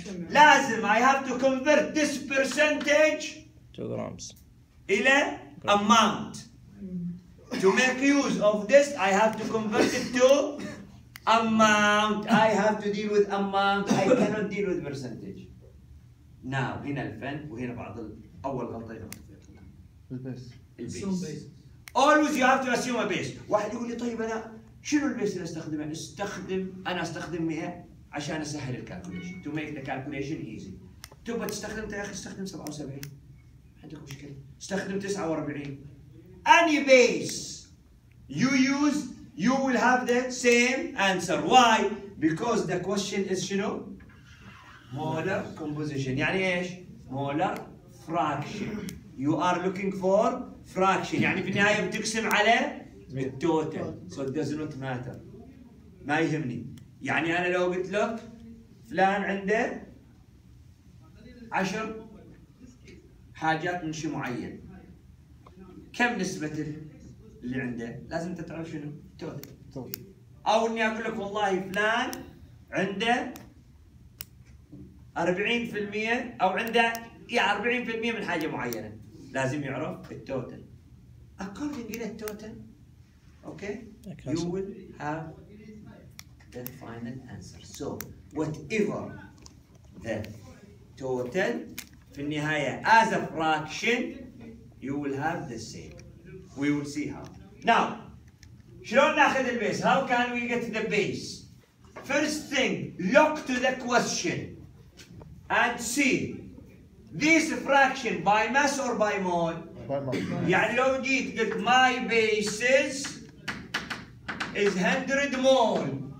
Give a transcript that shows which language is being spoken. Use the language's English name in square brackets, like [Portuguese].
[Arabic] لازم [English] I have to convert this percentage to grams. [Arabic] إلى [English] amount. To make use of this, I have to convert it to amount. I have to deal with amount. I cannot deal with percentage. [Arabic] Now, هنا الفن وهنا بعض الأول غلطة يغلط فيها. البيس. [English] Always you have to assume a base. [Arabic] واحد يقول لي طيب أنا شنو البيس اللي أستخدمه؟ أنا أستخدم مئة عشان أسهل الكالكوليشن. [English] To make the calculation easy. [Arabic] تبغى تستخدم يا أخي استخدم 77. عندك مشكلة. استخدم 49. [English] Any base you use, you will have the same answer. Why? Because the question is [Arabic] شنو؟ مولر كومبوزيشن يعني ايش؟ مولر [English] fraction. You are looking for fraction. [Arabic] يعني في النهاية بتقسم على total. [English] So it does not matter. [Arabic] ما يهمني. يعني أنا لو قلت لك فلان عنده 10 حاجات من شيء معين. كم نسبة اللي عنده؟ لازم تتعرف شنو total. أو إني أقول لك والله فلان عنده 40% أو عنده 40% من حاجة معينة. لازم يعرف التوتال. [English] According to the total, okay, you will have the final answer. So whatever the total, [Arabic] في النهاية [English] as a fraction, you will have the same. We will see how. Now, [Arabic] شلون نأخذ البيس؟ [English] How can we get the base? First thing, look to the question and see. This fraction by mass or by mole? By mole. [Arabic] يعني لو جيت قلت [English] my base is 100 mole.